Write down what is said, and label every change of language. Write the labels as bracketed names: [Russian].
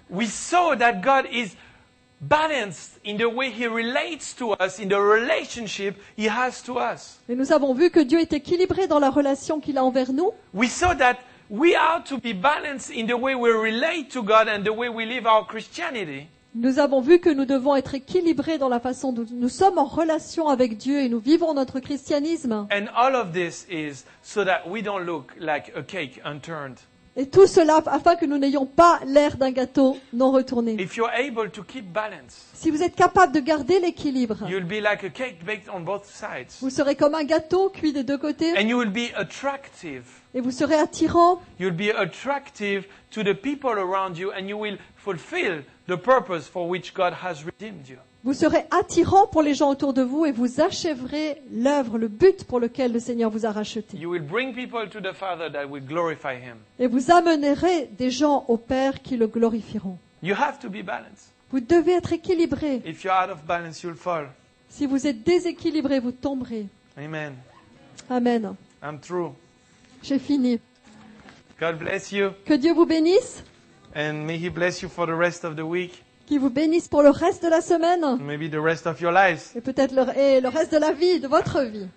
[English] We saw that God is balanced in the way he relates to us, in the relationship he has to us. [French] Et nous avons vu que Dieu est équilibré dans la relation qu'il a envers nous. [English] We saw that we are to be balanced in the way we relate to God and the way we live our Christianity. [French] Nous avons vu que nous devons être équilibrés dans la façon dont nous sommes en relation avec Dieu et nous vivons notre christianisme. [English] And all of this is so that we don't look like a cake unturned. [French] Et tout cela afin que nous n'ayons pas l'air d'un gâteau non retourné. [English] If you're able to keep balance, [French] si vous êtes capable de garder l'équilibre, [English] you'll be like a cake baked on both sides. [French] Vous serez comme un gâteau cuit des deux côtés. [English] And you will be attractive. [French] Et vous serez attirant. [English] You'll be attractive to the people around you and you will fulfill the purpose for which God has redeemed you. [French] Vous serez attirant pour les gens autour de vous et vous achèverez l'œuvre, le but pour lequel le Seigneur vous a racheté. [English] You will bring people to the Father that will glorify him. [French] Et vous amènerez des gens au Père qui le glorifieront. [English] You have to be balanced. [French] Vous devez être équilibré. [English] If you're out of balance, you'll fall. [French] Si vous êtes déséquilibré, vous tomberez. [English] Amen. [French] Amen. [English] I'm through. [French] J'ai fini. [English] God bless you. [French] Que Dieu vous bénisse. [English] And may he bless you for the rest of the week. [French] Qu'il vous bénisse pour le reste de la semaine. [English] Maybe the rest of your lives. [French] Et peut-être le reste de la vie, de votre vie.